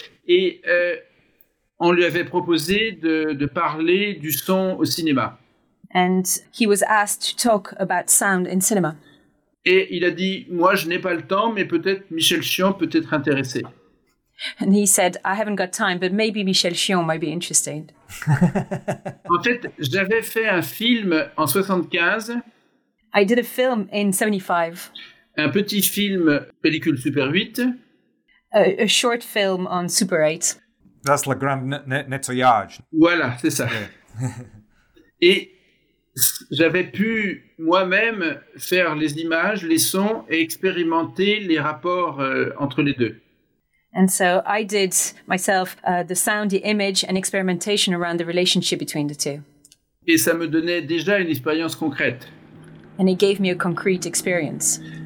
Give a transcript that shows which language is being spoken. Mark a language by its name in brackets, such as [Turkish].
[French] Et on lui avait proposé de parler du son au cinéma. [English] And he was asked to talk about sound in cinema. [French] Et il a dit, moi, je n'ai pas le temps, mais peut-être Michel Chion peut être intéressé. [English] And he said, I haven't got time, but maybe Michel Chion might be interested. [French] En fait, j'avais fait un film en 75. [English] I did a film in 75. [French] Un petit film, pellicule Super 8. [English] A short film on Super 8. That's le grand nettoyage. [French] Voilà, c'est ça. Yeah. Et j'avais pu moi-même faire les images, les sons et expérimenter les rapports entre les deux. [English] And so I did myself the sound, the image and experimentation around the relationship between the two. [French] Et ça me donnait déjà une expérience concrète. [English] And it gave me a concrete experience.